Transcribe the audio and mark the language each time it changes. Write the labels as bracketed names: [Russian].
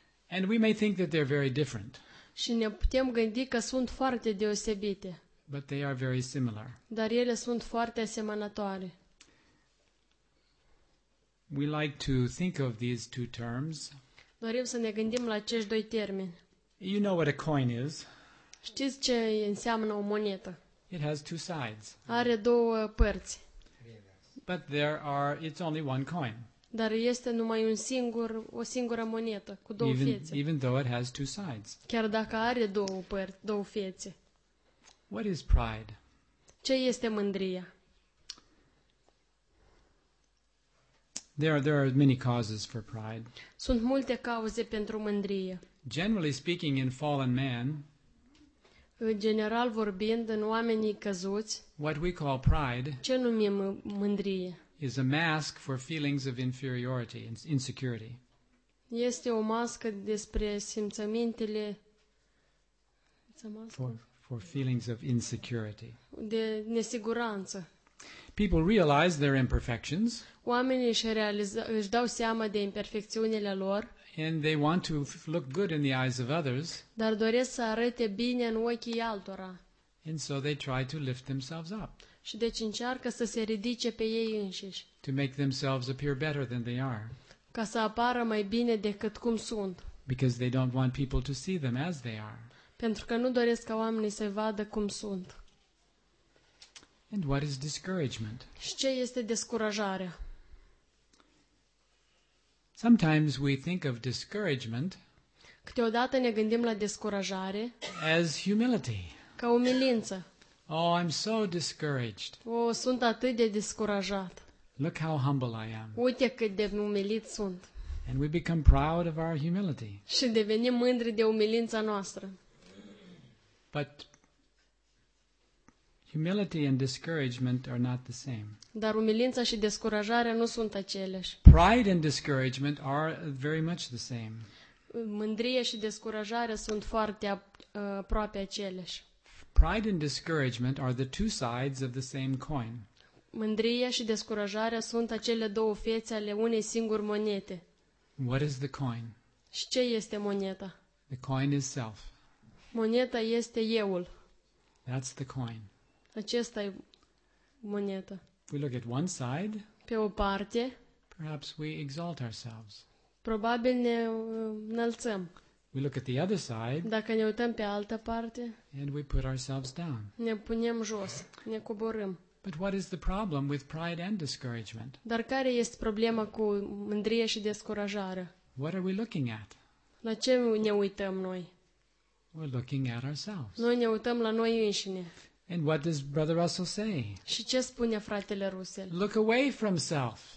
[English] And we may think that they're very different. [Romanian] Și ne putem gândi că sunt foarte deosebite. [English] But they are very similar. [Romanian] Dar ele sunt foarte asemănătoare. [English] We like to think of these two terms. [Romanian] Dorim să ne gândim la acești doi termeni. [English] You know what a coin is. [Romanian] Știți ce înseamnă o monetă? [English] It has two sides. [Romanian] Are două părți. [English] But there are it's only one coin. [Romanian] Dar este numai un singur o singură monetă cu două [English] even, [Romanian] fețe. [English] Even though it has two sides. [Romanian] Chiar dacă are două părți, două fețe. [English] What is pride? [Romanian] Ce este mândria? [English] There are many causes for pride. [Romanian] Sunt multe cauze pentru mândrie. [English] Generally speaking, in fallen man, [Romanian] în general vorbind, în oamenii căzuți, [English] what we call pride, [Romanian] ce numim mândrie, [English] is a mask for feelings of inferiority and insecurity. [Romanian] Este o mască despre simțămintele [English] for feelings of insecurity. [Romanian] De nesiguranță. [English] People realize their imperfections. [Romanian] Oamenii își dau seama de imperfecțiunile lor. [English] And they want to look good in the eyes of others. [Romanian] Dar doresc să arate bine în ochii altora. [English] And so they try to lift themselves up. [Romanian] Și deci încearcă să se ridice pe ei înșiși. [English] To make themselves appear better than they are. [Romanian] Ca să apară mai bine decât cum sunt. [English] Because they don't want people to see them as they are. [Romanian] Pentru că nu doresc ca oamenii să vadă cum sunt. [English] And what is discouragement? [Romanian] Și ce este descurajarea? [English] Sometimes we think of discouragement. [Romanian] Câteodată ne gândim la descurajare. [English] As humility. [Romanian] Ca umilință. [English] Oh, I'm so discouraged. [Romanian] Oh, sunt atât de descurajat. [English] Look how humble I am. [Romanian] Uite cât de umilit sunt. [English] And we become proud of our humility. [Romanian] Și devenim mândri de umilința noastră. [English] But humility and discouragement are not the same. [Romanian] Dar umilința și descurajarea nu sunt aceleași. [English] Pride and discouragement are very much the same. [Romanian] Mândrie și descurajare sunt foarte aproape aceleași. [English] Pride and discouragement are the two sides of the same coin. [Romanian] Mândrie și descurajarea sunt acele două fețe ale unei singuri monete. [English] What is the coin? [Romanian] Și ce este moneta? [English] The coin is self. [Romanian] Moneta este euul. [English] That's the coin. [Romanian] Acesta e moneta. [English] We look at one side. [Romanian] Pe o parte. [English] Perhaps we exalt ourselves. [Romanian] Probabil ne înălțăm. [English] We look at the other side. [Romanian] Dacă ne uităm pe altă parte. [English] And we put ourselves down. [Romanian] Ne punem jos, ne coborâm. [English] But what is the problem with pride and discouragement? [Romanian] Dar care este problema cu mândrie și descurajare? [English] What are we looking at? [Romanian] La ce ne uităm noi? [English] We're looking at ourselves. [Romanian] Noi ne uităm la noi înșine. [English] And what does Brother Russell say? [Romanian] Și ce spune fratele Russell? [English] Look away from self.